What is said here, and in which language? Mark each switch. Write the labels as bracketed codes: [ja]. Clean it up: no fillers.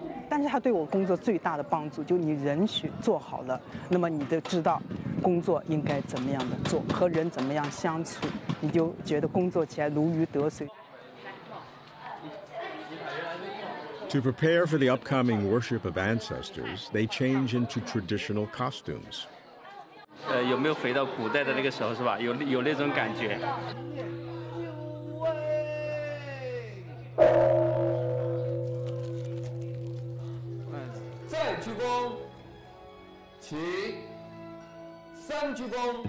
[zh] 但是他对我工作最大的帮助，就你人学做好了，那么你就知道工作应该怎么样的做，和人怎么样相处，你就觉得工作起来如鱼得水。 [en] To prepare for the upcoming worship of ancestors, they change into traditional costumes. [zh] 有没有回到古代的那个时候是吧？有那种感觉。三鞠躬，请三鞠躬。